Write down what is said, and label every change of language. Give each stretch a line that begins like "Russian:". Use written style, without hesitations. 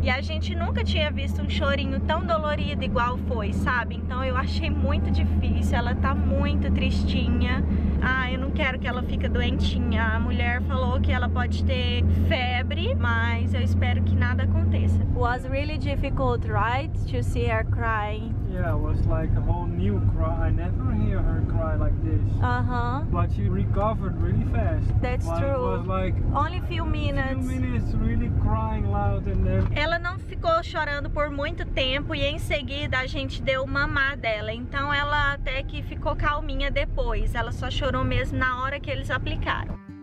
Portuguese: E a gente nunca tinha visto um chorinho tão dolorido igual foi, sabe? Então eu achei muito difícil, ela tá muito tristinha. Ah, eu não quero que ela fique doentinha. A mulher falou que ela pode ter febre, mas eu espero que nada aconteça.
English: Was really difficult, right? To see her crying. Yeah, it was like a whole new cry. I never hear her cry like this. Uh-huh. But she recovered really fast. That's but true. It was like only a few minutes really crying loud and then...
Portuguese: Ela não ficou chorando por muito tempo e em seguida a gente deu mamar dela. Então ela até que ficou calminha depois. Ela só chorou mesmo na hora que eles aplicaram.